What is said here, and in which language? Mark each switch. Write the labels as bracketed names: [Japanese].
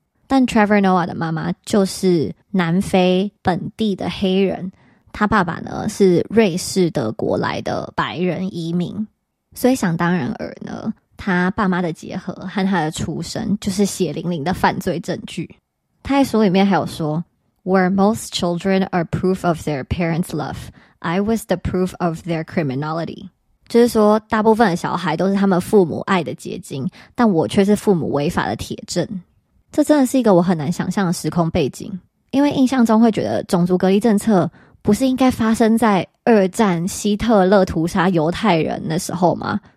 [Chinese] 但 Trevor Noah 的妈妈就是南非本地的黑人，他爸爸呢是瑞士德国来的白人移民，所以想当然而呢，他爸妈的结合和他的出生就是血淋淋的犯罪证据。他在书里面还有说 [English] Where most children are proof of their parents' love, I was the proof of their criminality. [Chinese] 就是说大部分的小孩都是他们父母爱的结晶，但我却是父母违法的铁证。这真的是一个我很难想象的时空背景，因为印象中会觉得种族隔离政策不是应该发生在二战希特勒屠杀犹太人的时候吗？